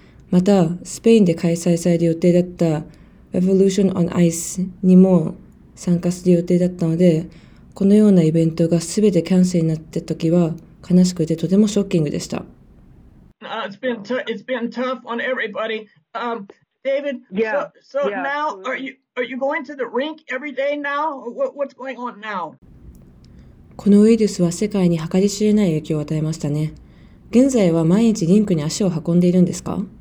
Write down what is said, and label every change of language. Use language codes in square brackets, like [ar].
[ja] また、スペインで開催される予定だった Revolution on Ice にも参加する予定だったので、このようなイベントがすべてキャンセルになった時は悲しくてとてもショッキングでした。 [en] It's been tough on everybody. David, now are you going to the rink every day now? What's going on now? [ja] このウイルスは世界に計り知れない影響を与えましたね。現在は毎日リンクに足を運んでいるんですか？